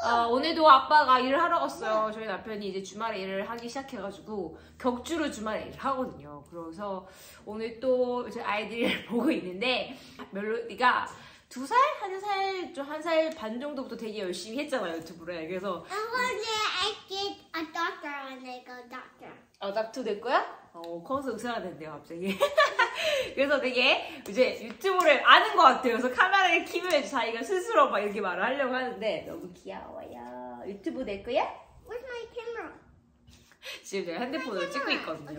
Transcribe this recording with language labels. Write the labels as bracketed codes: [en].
[ko] 오늘도 아빠가 일을 하러 갔어요. 저희 남편이 이제 주말에 일을 하기 시작해가지고, 격주로 주말에 일을 하거든요. 그래서 오늘 또 이제 아이들을 보고 있는데, 멜로디가 두 살? 한 살? 좀 한 살 반 정도부터 되게 열심히 했잖아요, 유튜브를. 그래서 [en] I want to make a doctor when I go doctor. [ko] 아, 닥터 될 거야? 커서 의사가 된대요, 갑자기. 그래서 되게 이제 유튜브를 아는 것 같아요. 그래서 카메라를 키면 자기가 스스로 막 이렇게 말을 하려고 하는데 너무 귀여워요. 유튜브 될 거야? [en] Where's my camera? [ko] 지금 제가 핸드폰을 찍고 있거든요.